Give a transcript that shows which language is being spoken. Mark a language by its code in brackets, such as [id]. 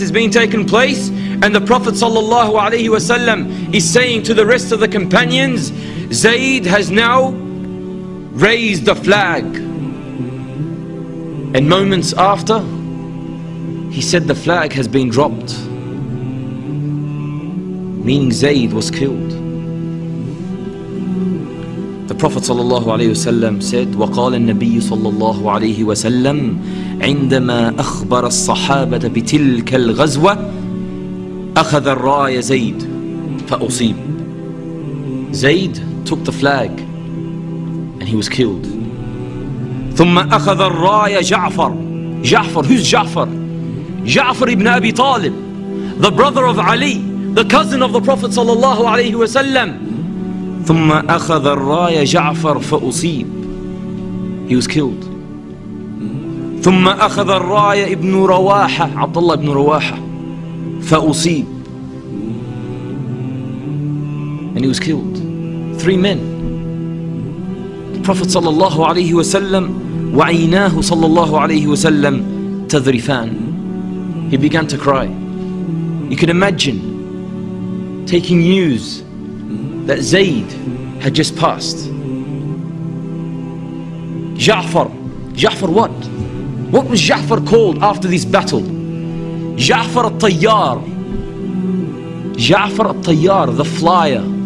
[en] And the Prophet sallallahu alayhi wasallam is saying to the rest of the companions, Zayd has now raised the flag. And moments after, he said the flag has been dropped. Meaning Zayd was killed. The Prophet sallallahu alayhi wasallam said, [ar] وَقَالَ النَّبِيُّ sallallahu alayhi wasallam عِنْدَمَا أَخْبَرَ الصَّحَابَةَ بِتِلْكَ الْغَزْوَةَ أَخَذَ الرَّايَ زَيْد فَأُصِيب. [en] Zayd took the flag and he was killed. [ar] ثُمَّ أَخَذَ الرَّايَ جَعْفَر. [en] Ja'far, who's Ja'far? Ja'far ibn Abi Talib, the brother of Ali, the cousin of the Prophet sallallahu alayhi wasallam. [ar] ثم أخذ الرايا جعفر فأصيب. [en] He was killed. [ar] ثم أخذ الرايا ابن رواحة, عبد الله ابن رواحة, فأصيب. [en] And he was killed. Three men. The Prophet [ar] صلى الله عليه وسلم وعيناه صلى الله عليه وسلم تذرفان. [en] He began to cry. You can imagine taking news that Zayd had just passed. Ja'far. Ja'far what? What was Ja'far called after this battle? Ja'far al-Tayyar. Ja'far al-Tayyar, the flyer.